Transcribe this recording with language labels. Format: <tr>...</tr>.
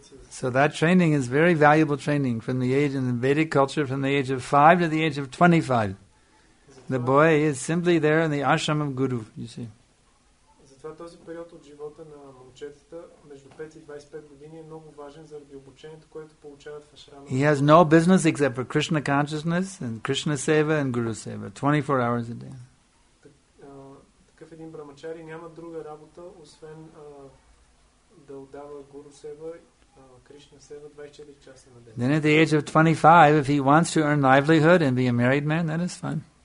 <en>So that training is very valuable training from the age in the Vedic culture, from the age of 5 to the age of 25. The boy is simply there in the ashram of Guru, you see.</en> <bg>Затова този период от живота на момчетата между 5 и 25 години е много важен заради обучението, което получават в ашрама.</bg> <en>He has no business except for Krishna consciousness and Krishna seva and Guru seva 24 hours a day.</en> <bg>Такъв един брамачари няма друга работа, освен да отдава Гуру Сева, Кришна Сева 24 часа на ден.</bg> <en>Then at the age of 25, if he wants to earn livelihood and be a married man, that is fine.</en>